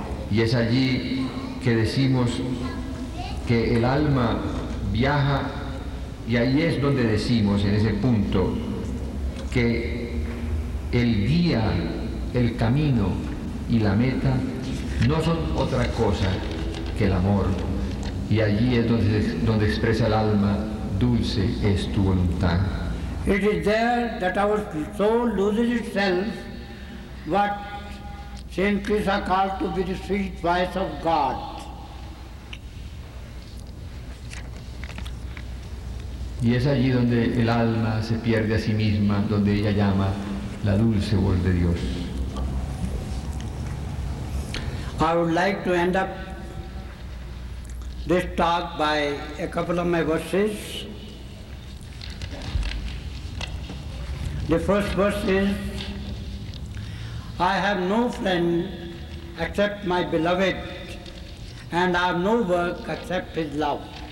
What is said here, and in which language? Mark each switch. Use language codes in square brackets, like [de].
[es] Y es allí que decimos que el alma viaja, y ahí es donde decimos en ese punto que el guía, el camino y la meta no son otra cosa que el amor. Y allí es donde expresa el alma, dulce es tu voluntad. [en] It is there that our soul loses itself, what Saint Krishna called to be the sweet voice of God. [es] Y es allí donde el alma se pierde a sí misma, donde ella llama la dulce voz de Dios. [en] I would like to end up this talk by a couple of my verses. The first verse is, I have no friend except my beloved, and I have no work except his love.